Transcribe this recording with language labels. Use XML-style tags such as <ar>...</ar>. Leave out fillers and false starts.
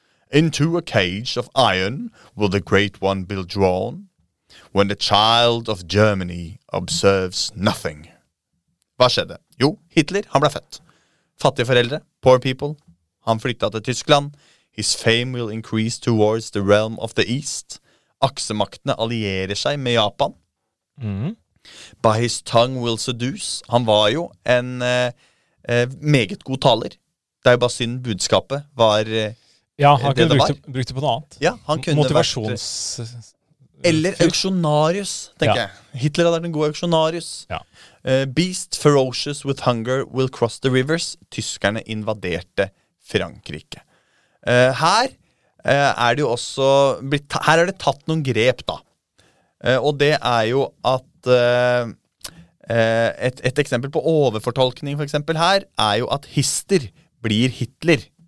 <en>Into a cage of iron will the great one be drawn, when the child of Germany observes nothing.</en> <no>Hva skjedde? Jo, Hitler, han ble født. Fattige foreldre,</no> <en>poor people,</en> <no>han flyttet til Tyskland.</no> <en>His fame will increase towards the realm of the east.</en> <no>Aksemaktene allierer seg med Japan. Mm.</no> <en>By his tongue will seduce.</en> <no>Han var jo en meget god taler. Det jo bare synd budskapet var Ja, han kunne brukt det på noe annet. Ja, han kunne motivasjons... Eller auksjonarius, tenker jeg. Hitler hadde en god auksjonarius. Ja.</no> <en>Beast ferocious with hunger will cross the rivers.</en> <no>Tyskerne invaderte Frankrike. Her er det jo også blitt, her er det tatt noen grep da. Og det jo at et eksempel på overfortolkning for eksempel her jo at Hister blir Hitler.</no>